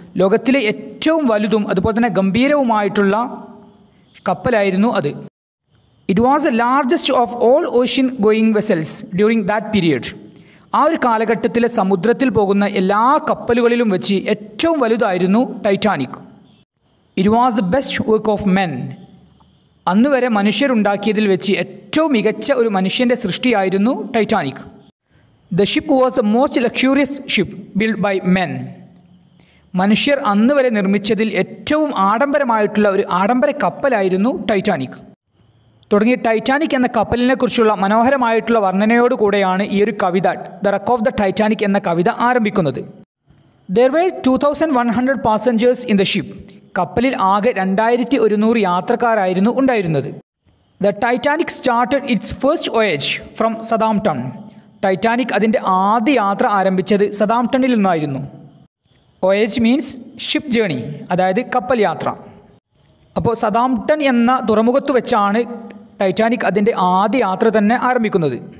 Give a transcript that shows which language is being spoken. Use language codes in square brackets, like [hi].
[ml] ലോകത്തിലെ ഏറ്റവും വലുതും അതുപോലെ തന്നെ ഗംഭീരവുമായിട്ടുള്ള കപ്പലായിരുന്നു അത്. [en] It was the largest of all ocean going vessels during that period. [ml] ആ ഒരു കാലഘട്ടത്തിലെ സമുദ്രത്തിൽ പോകുന്ന എല്ലാ കപ്പലുകളിലും വെച്ച് ഏറ്റവും വലുതായിരുന്നു Titanic. [en] It was the best work of men. [ml] അന്ന് വരെ മനുഷ്യരുണ്ടാക്കിയതിൽ വെച്ച് ഏറ്റവും മികച്ച ഒരു മനുഷ്യൻ്റെ സൃഷ്ടിയായിരുന്നു Titanic. [en] The ship was the most luxurious ship built by men. [ml] മനുഷ്യർ അന്ന് വരെ നിർമ്മിച്ചതിൽ ഏറ്റവും ആഡംബരമായിട്ടുള്ള ഒരു ആഡംബര കപ്പലായിരുന്നു ടൈറ്റാനിക്. തുടങ്ങി ടൈറ്റാനിക് എന്ന കപ്പലിനെക്കുറിച്ചുള്ള മനോഹരമായിട്ടുള്ള വർണ്ണനയോടുകൂടെയാണ് ഈ ഒരു കവിത ദ റക്ക് ഓഫ് ദ ടൈറ്റാനിക് എന്ന കവിത ആരംഭിക്കുന്നത്. [en] There were 2,100 passengers in the ship. [ml] കപ്പലിൽ ആകെ 2,100 യാത്രക്കാരായിരുന്നു ഉണ്ടായിരുന്നത്. [en] The Titanic started its first voyage from Southampton. [ml] Titanic അതിൻ്റെ ആദ്യ യാത്ര ആരംഭിച്ചത് സദാംപ്ടണിൽ നിന്നായിരുന്നു. [en] voyage means ship journey, [ml] അതായത് കപ്പൽ യാത്ര. അപ്പോൾ സദാംപ്ടൺ എന്ന തുറമുഖത്ത് വെച്ചാണ് ടൈറ്റാനിക് അതിൻ്റെ ആദ്യ യാത്ര തന്നെ ആരംഭിക്കുന്നത്.